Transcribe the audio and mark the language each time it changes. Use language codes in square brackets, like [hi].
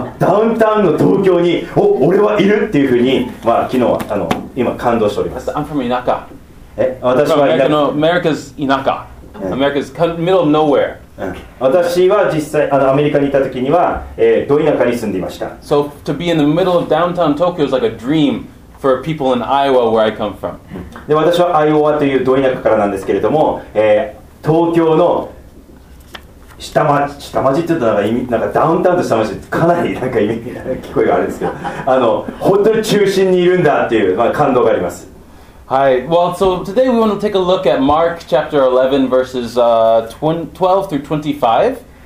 [ja] Downtown の東京に、お、俺はいるっていうふうに、まあ、昨日は今感動しております。 [en] I'm from 田舎。 [ja] え、私は [en] 田舎。America's 田舎。America's middle of nowhere. [ja] 私は実際アメリカにいた時にはど田舎に住んでいました。 [en] So to be in the middle of downtown Tokyo is like a dream for people in Iowa where I come from. [ja] で、私はアイオワというど田舎からなんですけれども、東京の下町って言うとなんかダウンタウンと下町ってかなりなんか聞こえがあるんですけど、本当に中心にいるんだっていう、まあ、感動があります。 [en] Hi. Well, so today we want to take a look at Mark chapter 11 verses 12 through 25.